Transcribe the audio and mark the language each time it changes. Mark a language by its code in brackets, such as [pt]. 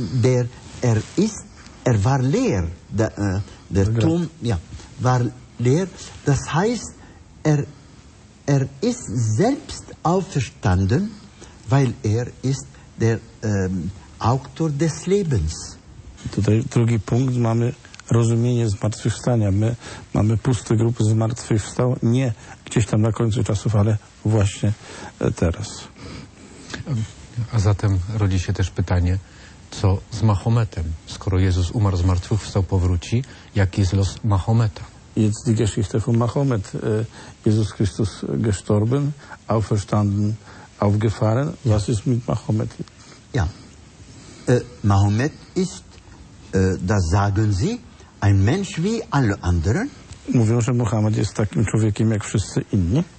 [de] Er war leer. Der Turm, ja, war leer. Das heißt, er ist selbst auferstanden, weil er ist der Autor des Lebens. [pl] Tutaj drugi punkt, mamy rozumienie zmartwychwstania. My mamy puste grupy zmartwychwstał, nie gdzieś tam na końcu czasów, ale właśnie teraz. A zatem rodzi się też pytanie, co z Mahometem? Skoro Jezus umarł, zmartwychwstał, powróci, jaki jest los Mahometa? [de] Jetzt die Geschichte von Mahomet. Jezus Chrystus gestorben, auferstanden, aufgefahren. Was ist mit Mahomet? Ja. Mahomet ist, das sagen Sie, ein Mensch wie alle anderen. [pl] Mówią, że Mohamed jest takim człowiekiem jak wszyscy inni.